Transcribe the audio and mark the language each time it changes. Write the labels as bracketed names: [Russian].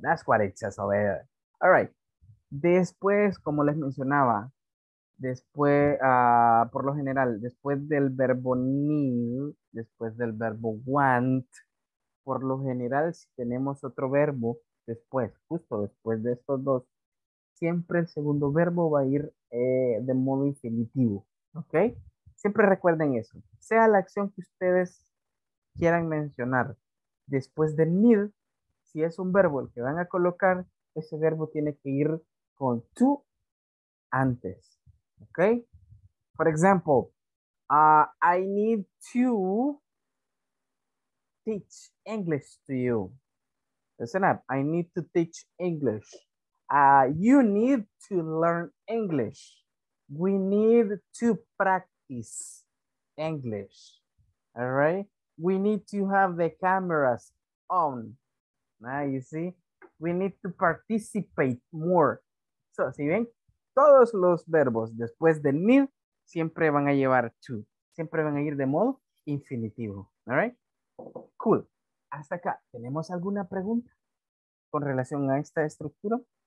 [English] That's what it says over there. [Spanish] All right. Después, como les mencionaba, después, por lo general, después del verbo need, después del verbo want, por lo general, si tenemos otro verbo, después, justo después de estos dos, siempre el segundo verbo va a ir de modo infinitivo, ¿ok? Siempre recuerden eso. Sea la acción que ustedes quieran mencionar, después del need, si es un verbo el que van a colocar, ese verbo tiene que ir con to antes. [English] Okay, for example, I need to teach English to you. Listen up, I need to teach English. You need to learn English. We need to practice English. All right, we need to have the cameras on. Now you see, we need to participate more. [Spanish] So, si ven, todos los verbos después del need siempre van a llevar to. Siempre van a ir de modo infinitivo. All right? Cool. Hasta acá. ¿Tenemos alguna pregunta con relación a esta estructura?